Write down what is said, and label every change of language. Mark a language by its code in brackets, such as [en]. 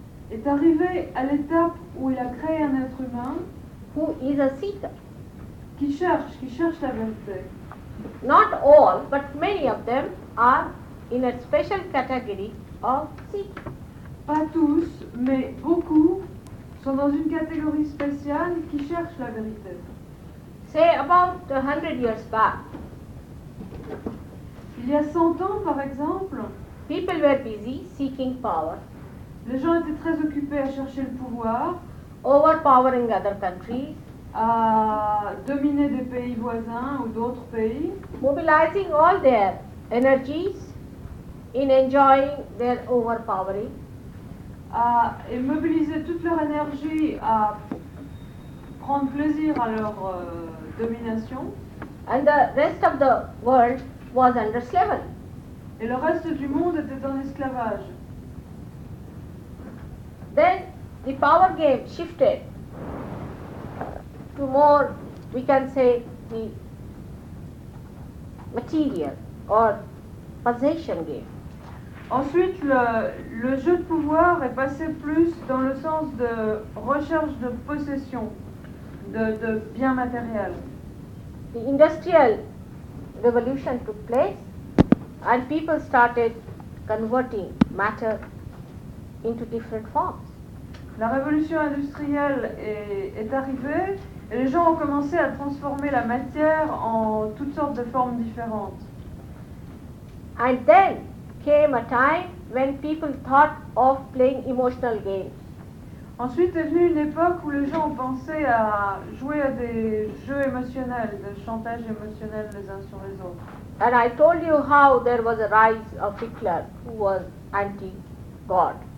[fr] est arrivé à l'étape où il a créé un être humain, [en] who is a seeker, [fr] qui cherche la vérité. [en] Not all, but many of them are in a special category of seeking. [fr] Pas tous, mais beaucoup sont dans une catégorie spéciale qui cherchent la vérité. [en] Say about 100 years back. [fr] Il y a 100 ans, par exemple, [en] people were busy seeking power. [fr] Les gens étaient très occupés à chercher le pouvoir, [en] overpowering other countries, [fr] à dominer des pays voisins ou d'autres pays, [en] mobilizing all their energies in enjoying their overpowering. [fr] Et mobiliser toute leur énergie à prendre plaisir à leur domination. [en] And the rest of the world was under slavery. [fr] Et le reste du monde était en esclavage. [en] Then the power game shifted to more, we can say, the material or possession game. [fr] Ensuite, le jeu de pouvoir est passé plus dans le sens de recherche de possession, de biens matériels. [en] The industrial revolution took place and people started converting matter into different forms. [fr] La révolution industrielle est arrivée et les gens ont commencé à transformer la matière en toutes sortes de formes différentes. [en] And then came a time when people thought of playing emotional games. [fr] Ensuite est venue une époque où les gens ont pensé à jouer à des jeux émotionnels, des chantages émotionnels les uns sur les autres. [en] And I told you how there was a rise of Hitler, who was anti-God.